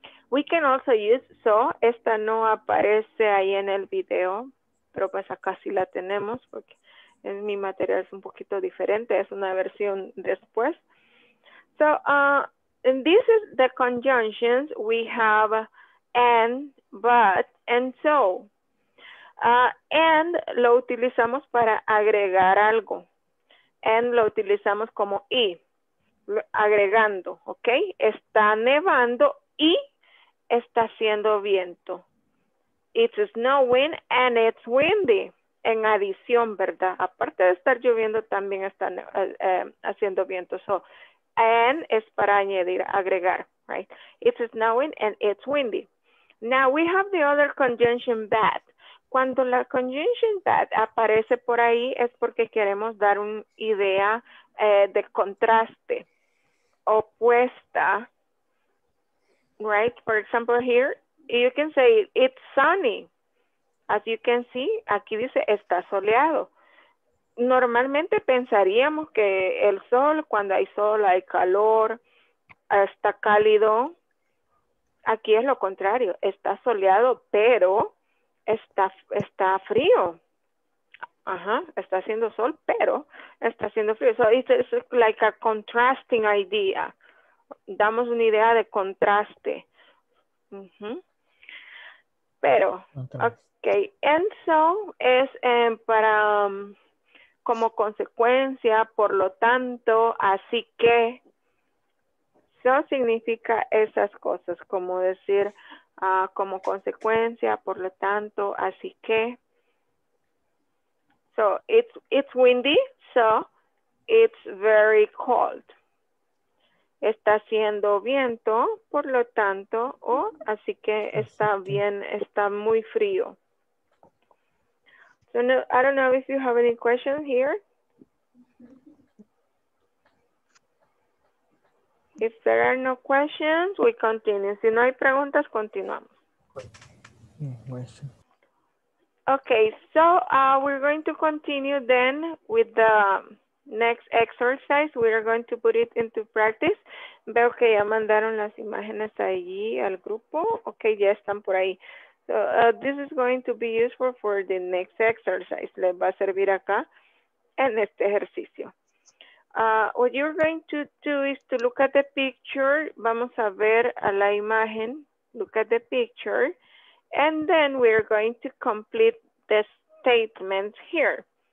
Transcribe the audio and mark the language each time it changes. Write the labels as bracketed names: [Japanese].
[English] We can also use so, [Spanish] esta no aparece ahí en el video, pero pues acá sí la tenemos porque en mi material es un poquito diferente, es una versión después. [English] So, and this is the conjunctions, we have and, but, and so. [Spanish] And lo utilizamos para agregar algo. And lo utilizamos como y, agregando, ¿ok? Está nevando y está haciendo viento. [English] It's snowing and it's windy. [Spanish] En adición, ¿verdad? Aparte de estar lloviendo, también está haciendo viento. So, and es para añadir, agregar, right? [English] It's snowing and it's windy. Now we have the other conjunction bad. [Spanish] Cuando la conjunction that aparece por ahí es porque queremos dar una idea de contraste, opuesta, right? [English] For example, here, you can say, it's sunny. As you can see, [Spanish] aquí dice, está soleado. Normalmente pensaríamos que el sol, cuando hay sol, hay calor, está cálido. Aquí es lo contrario, está soleado, pero está frío. Ajá, está haciendo sol, pero está haciendo frío. [English] So it's like a contrasting idea. [Spanish] Damos una idea de contraste. Pero, okay. And so es para como consecuencia, por lo tanto, así que. So significa esas cosas, como decir, como consecuencia, por lo tanto, así que. [English] So it's windy, so it's very cold. [Spanish] Está haciendo viento, por lo tanto, así que está bien, está muy frío. [English] So no, I don't know if you have any questions here. If there are no questions, we continue. [Spanish] Si no hay preguntas, continuamos. [English] Okay, so we're going to continue then with the next exercise. We are going to put it into practice. [Spanish] Veo que ya mandaron las imágenes allí al grupo. Okay, ya están por ahí. [English] So this is going to be useful for the next exercise. [Spanish] Les va a servir acá en este ejercicio. [English] What you're going to do is to look at the picture. [Spanish] Vamos a ver a la imagen. [English] Look at the picture. And then we're going to complete the statement here.